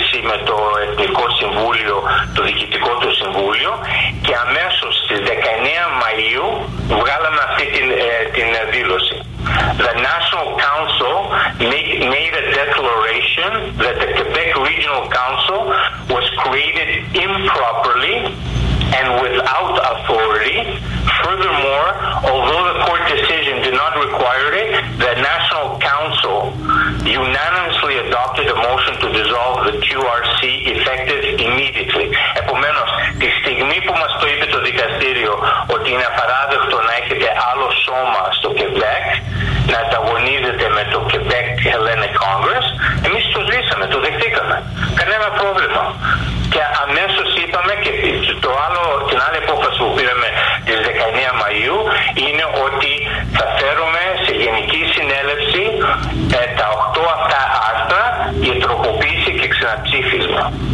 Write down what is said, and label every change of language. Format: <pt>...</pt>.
<el>με το Εθνικό Συμβούλιο, το Διοικητικό του Συμβούλιο, και αμέσως στις 19 Μαΐου βγάλαμε αυτή την δήλωση.</el> <en>The National Council made a declaration that the Quebec Regional Council was created improperly and without authority. Furthermore, although the court decision did not require it, the National Council unanimously adopted a motion to dissolve the QRC effective immediately.</en> <el>Επομένως, τη στιγμή που μας το είπε το δικαστήριο ότι είναι απαράδεκτο να έχετε άλλο σώμα στο Quebec, να ανταγωνίζεται με το Quebec Hellenic Congress, εμείς το ζήσαμε, το δεχτήκαμε. Κανένα πρόβλημα. Και αμέσως είπαμε και την άλλη απόφαση που πήραμε τις 19 Μαΐου είναι ότι θα φέρουμε σε γενική συνέλευση τα 8 αυτά άρθρα για τροποποίηση και ξαναψήφισμα.</el>